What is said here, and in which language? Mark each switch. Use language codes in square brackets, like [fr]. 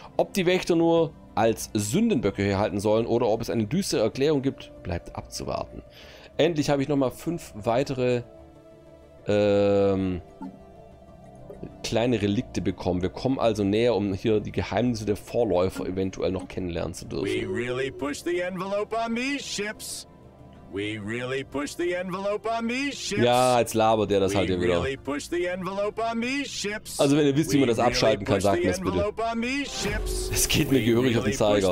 [de] Ob die Wächter nur als Sündenböcke herhalten sollen oder ob es eine düstere Erklärung gibt, bleibt abzuwarten. Endlich habe ich nochmal 5 weitere kleine Relikte bekommen. Wir kommen also näher, um hier die Geheimnisse der Vorläufer eventuell noch kennenlernen zu dürfen. [en] We really push the envelope on these ships. We really push the envelope on these ships. [de] Ja, jetzt labert der das halt hier wieder. Also wenn ihr wisst, wie man das abschalten kann, sagt mir es bitte. Es geht mir gehörig auf den Zeiger.